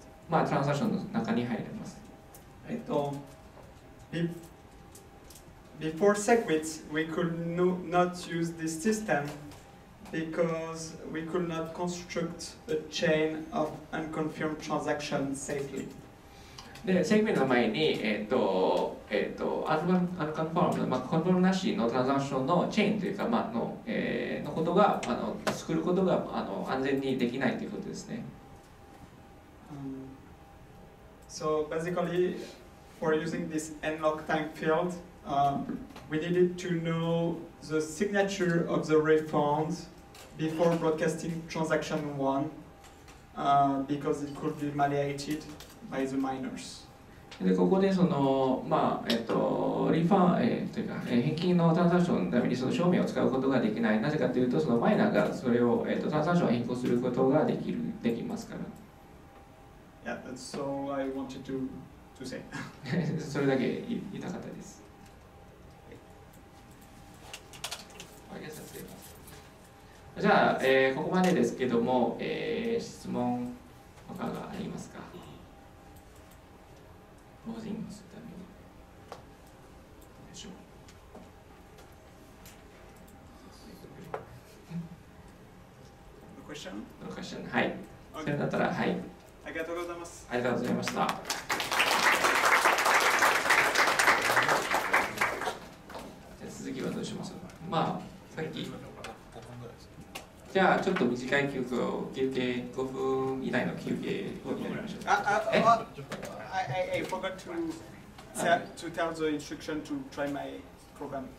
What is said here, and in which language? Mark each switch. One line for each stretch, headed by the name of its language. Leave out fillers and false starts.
Japanese: トランザクションの中に入れます。
English: Before SegWit, we could not use this system because we could not construct a chain of unconfirmed transactions safely.
Japanese: で、SegWitの前に、unconfirmed、コントロールなしのトランザクションのチェーンというか、のことが作ることが安全にできないということですね。
English: So basically, for using this nlock time field, we needed to know the signature of the refund before broadcasting transaction one, because it could be malleated by the miners.
Japanese: でここでその、リファン、というか、返金のトランザクションのためにその証明を使うことができない。なぜかというと、そのマイナーがそれを、トランザクションを変更することができますから。
English: Yeah, that's so I wanted to say.
Japanese: それだけ言いたかったです。
English: I guess that's it.
Japanese: じゃあ、ここまでですけども、質問とかがありますか？
English: A question? A question.
Japanese: はい。それだったら、はい。ありがとうございます。ありがとうございました。じゃあ続きはどうしますか。さっき。じゃあちょっと短い休憩を休憩5分以内の休憩をやりましょう。
English: I forgot to tell the instruction to try my program.